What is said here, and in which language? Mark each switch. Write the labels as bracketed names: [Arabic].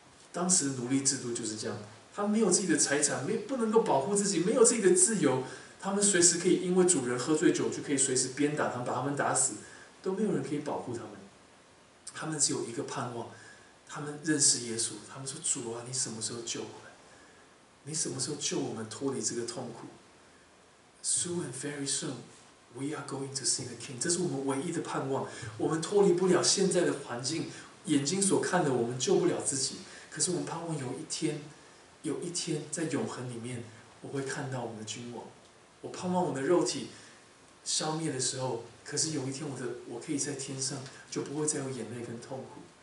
[Chinese] 当时奴隶制度就是这样，他没有自己的财产，不能够保护自己，没有自己的自由，他们随时可以因为主人喝醉酒就可以随时鞭打他们，把他们打死，都没有人可以保护他们。他们只有一个盼望，他们认识耶稣，他们说：主啊，你什么时候救我们？你什么时候救我们脱离这个痛苦？ [English] Soon and very soon we are going to see the king. [Chinese] 这是我们唯一的盼望。我们脱离不了现在的环境，眼睛所看的我们救不了自己，可是我们盼望有一天在永恒里面，我会看到我们的君王。我盼望我的肉体消灭的时候，可是有一天我可以在天上，就不会再有眼泪跟痛苦。